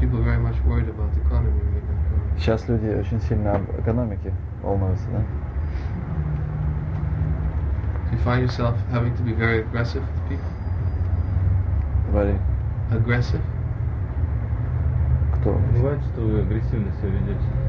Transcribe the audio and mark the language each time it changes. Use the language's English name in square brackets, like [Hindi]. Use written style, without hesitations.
[English] People are very much worried about the economy right now. [Russian] Сейчас люди очень сильно об экономике волнуются, да? [English] Do you find yourself having to be very aggressive with people? Very. Aggressive? [Russian] Кто? Бывает, что вы агрессивно себя ведете.